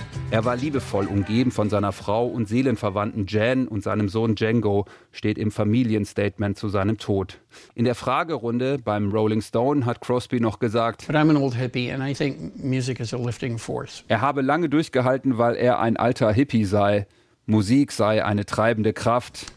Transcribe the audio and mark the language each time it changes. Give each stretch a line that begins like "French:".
German: Er war liebevoll umgeben von seiner Frau und Seelenverwandten Jan und seinem Sohn Django, steht im Familienstatement zu seinem Tod. In der Fragerunde beim Rolling Stone hat Crosby noch gesagt:
English: But I'm an old hippie and I think music is a lifting force.
German: Er habe lange durchgehalten, weil er ein alter Hippie sei. Musik sei eine treibende Kraft.